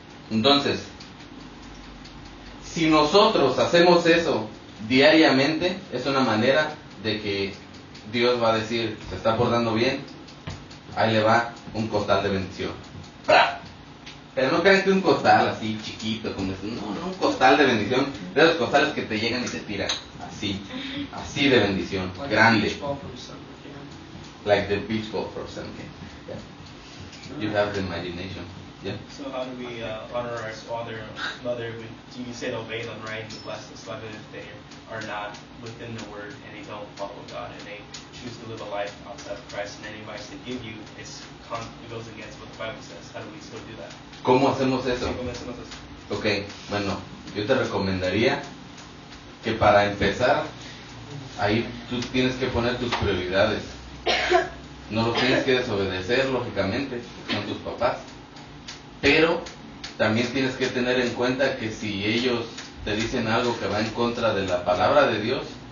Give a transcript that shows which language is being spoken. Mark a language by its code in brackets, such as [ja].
[es] Entonces, si nosotros hacemos eso diariamente, es una manera de que Dios va a decir, se está portando bien, ahí le va un costal de bendición. ¡Bra! Pero no crean que un costal así chiquito, como es, no, un costal de bendición, de los costales que te llegan y te tiran, así de bendición, [en] like [es] grande. [en] Yeah. Like the beach ball for something. You have the imagination. Yeah. So how do we honor our father and mother? You said obey them, right? You bless them. But if they are not within the word and they don't follow God and they choose to live a life outside of Christ and any advice they give you, it goes against what the Bible says. How do we still do that? [es] ¿Cómo hacemos eso? Okay. Bueno, yo te recomendaría que para empezar, ahí tú tienes que poner tus prioridades. No los tienes que desobedecer, lógicamente, son tus papás. Pero también tienes que tener en cuenta que si ellos te dicen algo que va en contra de la palabra de Dios,